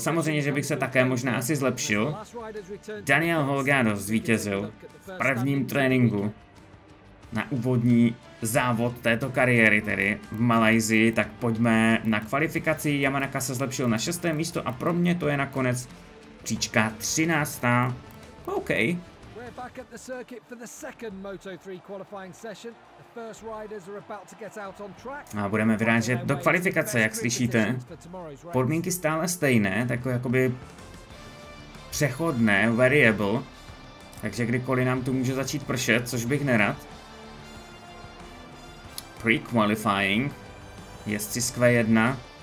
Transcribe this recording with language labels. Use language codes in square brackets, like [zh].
[cs] Samozřejmě, že bych se také možná asi zlepšil. Daniel Holgado zvítězil v prvním tréninku na úvodní závod této kariéry, tedy v Malajzii. Tak pojďme na kvalifikaci. Yamanaka se zlepšil na 6. místo a pro mě to je nakonec příčka 13. OK. [en] Back at the circuit for the second Moto3 qualifying session. The first riders are about to get out on track. [cs] A budeme vyrážet do kvalifikace, jak slyšíte. Podmínky stále stejné, takové jakoby přechodné, variable. Takže kdykoliv nám tu může začít pršet, což bych nerad. Pre-qualifying. Jezdci z Q1.